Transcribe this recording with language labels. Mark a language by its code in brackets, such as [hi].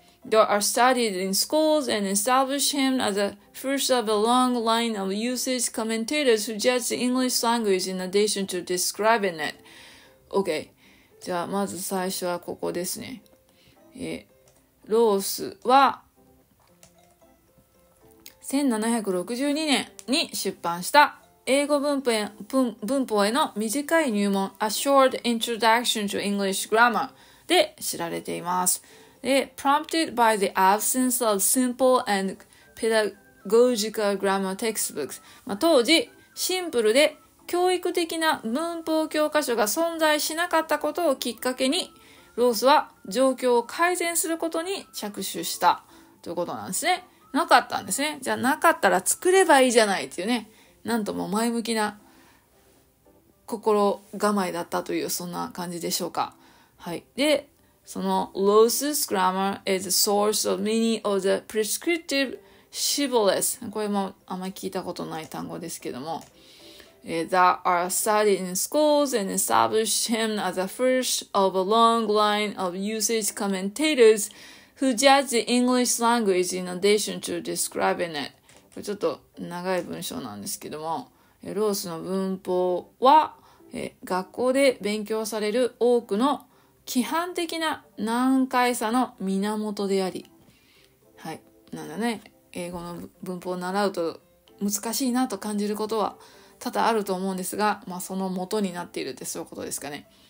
[en] They are studied in schools and establish him as the first of a long line of usage commentators who judge the English language in addition to describing it. OK. [ja] じゃあまず最初はここですね。ロースは1762年に出版した英語文法への短い入門 [en] A Short Introduction to English Grammar [ja] で知られています。で、 [en] prompted by the absence of simple and pedagogical grammar textbooks、 [ja] まあ、当時シンプルで教育的な文法教科書が存在しなかったことをきっかけに、ロースは状況を改善することに着手したということなんですね。なかったんですね。じゃあなかったら作ればいいじゃないっていうね、なんとも前向きな心構えだったという、そんな感じでしょうか。はい。で、その [en] Lowes's grammar is a source of many of the prescriptive shibboleths. [ja] これもあまり聞いたことない単語ですけども。 [en] That are studied in schools and establish him as the first of a long line of usage commentators who judge the English language in addition to describing it. [ja] これちょっと長い文章なんですけども。Lowes の文法は、学校で勉強される多くの規範的な難解さの源であり、はい、なんだね、英語の文法を習うと難しいなと感じることは多々あると思うんですが、まあ、その元になっているってそういうことですかね。